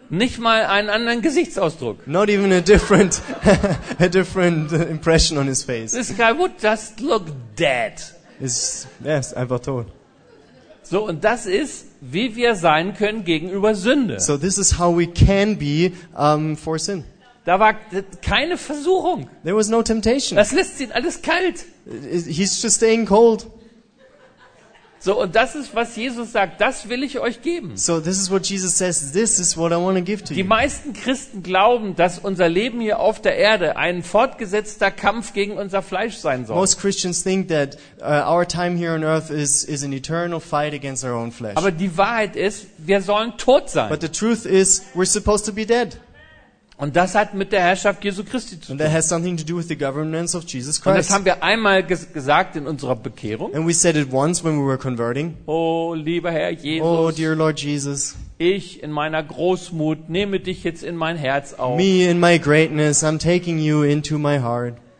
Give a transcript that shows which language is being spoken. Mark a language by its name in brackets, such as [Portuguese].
[German] Nicht mal einen anderen Gesichtsausdruck. [English] Not even a different impression on his face. This guy would just look dead. Yes, [German] einfach tot. So, und das ist, wie wir sein können gegenüber Sünde. [English] So this is how we can be for sin. [German] Da war keine Versuchung. [English] There was no temptation. [German] Das lässt ihn alles kalt. [English] He's just staying cold. [German] So, und das ist, was Jesus sagt, das will ich euch geben. [English] So this is what Jesus says, this is what I want to give to you. [German] Die meisten Christen glauben, dass unser Leben hier auf der Erde ein fortgesetzter Kampf gegen unser Fleisch sein soll. [English] Most Christians think that our time here on earth is an eternal fight against our own flesh. [German] Aber die Wahrheit ist, wir sollen tot sein. [English] But the truth is, we're supposed to be dead. [German] Und das hat mit der Herrschaft Jesu Christi zu tun. [English] And that has something to do with the governance of Jesus Christ. [German] Und das haben wir einmal gesagt in unserer Bekehrung. [English] And we said it once when we were converting. [German] Oh, lieber Herr Jesus. [English] Oh, dear Lord Jesus. [German] Ich in meiner Großmut nehme dich jetzt in mein Herz auf. [English] Me in my greatness, I'm taking you into my heart.